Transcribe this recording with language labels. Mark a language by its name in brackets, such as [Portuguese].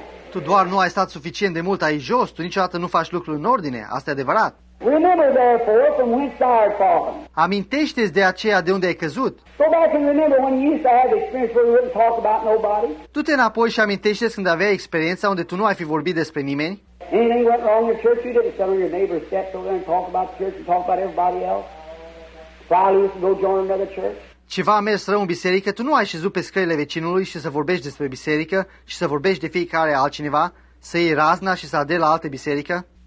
[Romanian] Tu doar nu ai stat suficient de mult aici jos, tu niciodată nu faci lucrul în ordine, asta e adevărat. [English] Remember, therefore, from whence thou art fallen. [Romanian] Amintește-ți de aceea de unde ai căzut. [English] Go back and remember when you used to have experience where you wouldn't talk about nobody. [Romanian] Du-te înapoi și amintește-ți când aveai experiența unde tu nu ai fi vorbit despre nimeni. [English] Anything went wrong in church, you didn't tell your neighbor steps over there and talk about church and talk about everybody else. Probably used to go join another church. [Romanian] Ceva a mers rău în biserică, tu nu ai șezut pe scările vecinului și să vorbești despre biserică și să vorbești de fiecare altcineva, să iei razna și să aderi la altă biserică?